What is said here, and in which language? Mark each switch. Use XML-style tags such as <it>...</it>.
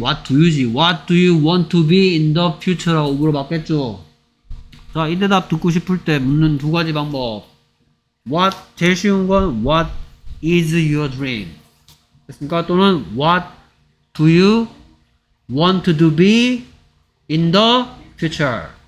<en>What do you? 지 What do you want to be in the future?</en> <ko>라고 물어봤겠죠. 자, 이 대답 듣고 싶을 때 묻는 두 가지 방법.</ko> <en>What</en> <ko>제일 쉬운 건</ko> <en>What is your dream?</en> <ko>됐습니까?</ko> <en>또는 What do you want to do be in the future?</en>